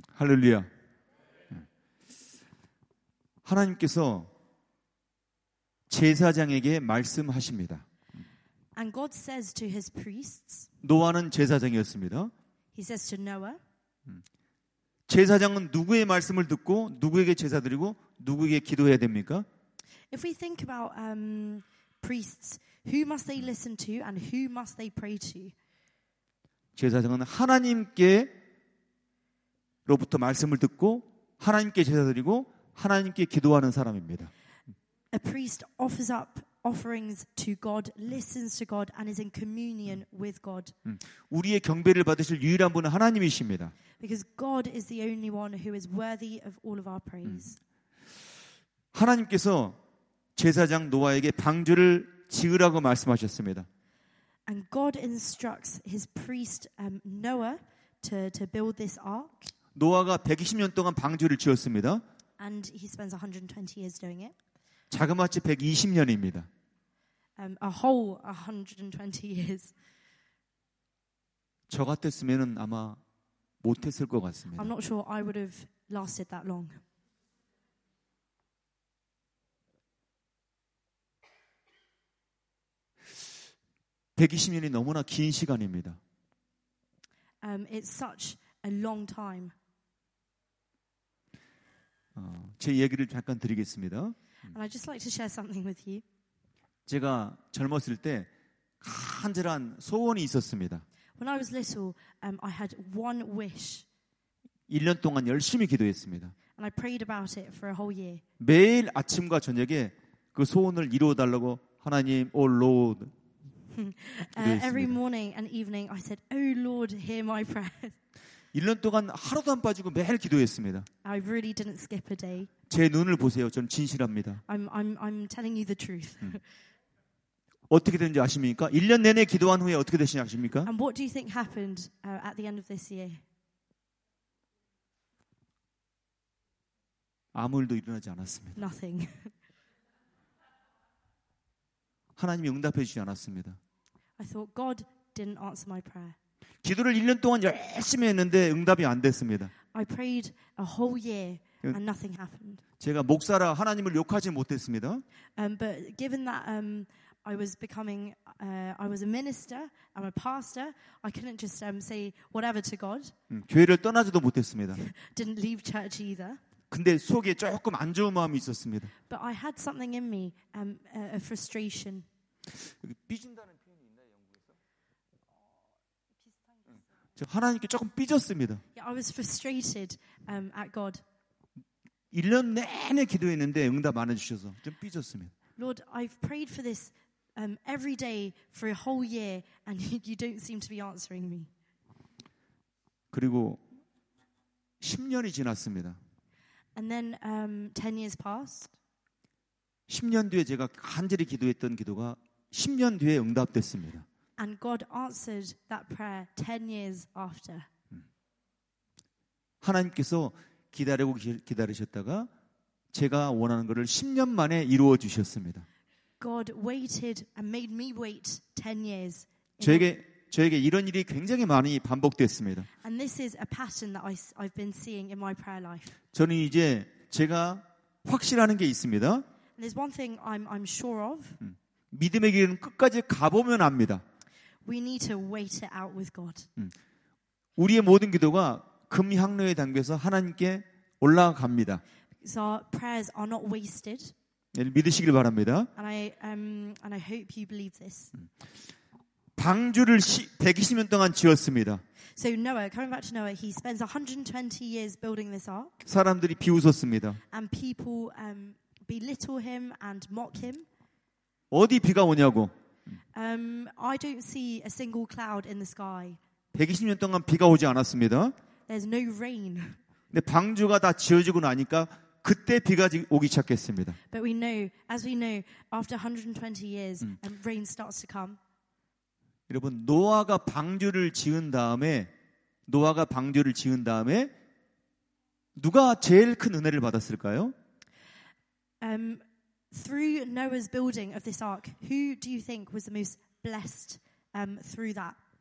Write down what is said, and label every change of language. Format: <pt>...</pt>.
<ko>할렐루야. 하나님께서 제사장에게 말씀하십니다.</ko> <en>And God says to his priests.</en> <ko>노아는 제사장이었습니다.</ko> <en>He says to Noah.</en> <ko>제사장은 누구의 말씀을 듣고 누구에게 제사 드리고 누구에게 기도해야 됩니까?</ko> <en>If we think about priests, who must they listen to and who must they pray to?</en> <ko>제사장은 하나님께로부터 말씀을 듣고 하나님께 제사드리고 하나님께 기도하는 사람입니다.</ko> <en>A priest offers up offerings to God, listens to God and is in communion with God.</en> <ko>우리의 경배를 받으실 유일한 분은 하나님이십니다.</ko> <en>Because God is the only one who is worthy of all of our praise.</en> <ko>하나님께서 제사장 노아에게 방주를 지으라고 말씀하셨습니다.</ko> <en>And God instructs his priest Noah to build this ark.</en> <ko>노아가 120년 동안 방주를 지었습니다.</ko> <en>And he spends 120 years doing it.</en> <ko>자그마치 120년입니다.</ko> <en>A whole 120 years.</en> <ko>저 같았으면은 아마 못 했을 것 같습니다.</ko> <en>I'm not sure I would have lasted that long.</en> <ko>120년이 너무나 긴 시간입니다.</ko> <en>It's such a long time.</en> <ko>제 얘기를 잠깐 드리겠습니다.</ko> <en>And I'd just like to share something with you.</en> <ko>제가 젊었을 때 간절한 소원이 있었습니다.</ko> <en>When I was little, I had one wish.</en> <ko>1년 동안 열심히 기도했습니다.</ko> <en>And I prayed about it for a whole year.</en> <ko>매일 아침과 저녁에 그 소원을 이루어 달라고 하나님,</ko> <en>Oh Lord. Every morning and evening, I said, Oh Lord, hear my prayers.</en> <ko>1년 동안 하루도 안 빠지고 매일 기도했습니다.</ko> <en>I really didn't skip a day.</en> <ko>제 눈을 보세요. 저는 진실합니다.</ko> <en>I'm telling you the truth.</en> <ko>어떻게 되는지 아십니까? 1년 내내 기도한 후에 어떻게 되시는지 아십니까?</ko> <en>And what do you think happened at the end of this year?</en> <ko>아무 일도 일어나지 않았습니다.</ko> <en>Nothing.</en> <ko>하나님이 응답해 주지 않았습니다.</ko> <en>I thought God didn't answer my prayer.</en> <ko>기도를 1년 동안 열심히 했는데 응답이 안 됐습니다.</ko> <en>I prayed a whole year and nothing happened.</en> <ko>제가 목사라 하나님을 욕하지 못했습니다.</ko> <en>But given that I was becoming I was a minister, I'm a pastor, I couldn't just say whatever to God.</en> <ko>교회를 떠나지도 못했습니다.</ko> <en>Didn't leave church either.</en> <ko>근데 속에 조금 안 좋은 마음이 있었습니다.</ko> <en>But I had something in me, a frustration.</en> <ko>삐진다는 표현이 있나요, 영국에서? 비슷한. 하나님께 조금 삐졌습니다.</ko> <en>Yeah, I was frustrated at God.</en> <ko>1년 내내 기도했는데 응답 안 해주셔서 좀 삐졌습니다.</ko> <en>Lord, I've prayed for this every day for a whole year, and you don't seem to be answering me.</en> <ko>그리고 10년이 지났습니다.</ko> <en>And then 10 years passed.</en> <ko>10년 뒤에 제가 간절히 기도했던 기도가 10년 뒤에 응답됐습니다.</ko> <en>And God answered that prayer 10 years after.</en> <ko>하나님께서 기다리고 기다리셨다가 제가 원하는 것을 10년 만에 이루어 주셨습니다.</ko> <en>God waited and made me wait 10 years.</en> <ko>저에게 이런 일이 굉장히 많이 반복됐습니다.</ko> <en>And this is a pattern that I've been seeing in my prayer life.</en> <ko>저는 이제 제가 확실하는 게 있습니다.</ko> <en>And there's one thing I'm sure of.</en> <ko>믿음의 길은 끝까지 가보면 압니다.</ko> <en>We need to wait it out with God.</en> <ko>우리의 모든 기도가 금향로의 단계에서 하나님께 올라갑니다.</ko> <en>So our prayers are not wasted.</en> <ko>네, 믿으시길 바랍니다.</ko> <en>And I hope you believe this.</en> <ko>방주를 120년 동안 지었습니다.</ko> <en>So Noah, coming back to Noah, he spends 120 years building this ark.</en> <ko>사람들이 비웃었습니다.</ko> <en>And people belittle him and mock him.</en> <ko>어디 비가 오냐고?</ko> <en>I don't see a single cloud in the sky.</en> <ko>120년 동안 비가 오지 않았습니다.</ko> <en>There's no rain.</en> <ko>근데 방주가 다 지어지고 나니까 그때 비가 오기 시작했습니다.</ko> <en>But we know, as we know, after 120 years, and rain starts to come.</en> <ko>여러분, 노아가 방주를 지은 다음에 누가 제일 큰 은혜를 받았을까요?</ko> <en>Through Noah's building of this ark, who do you think was the most blessed through that?</en>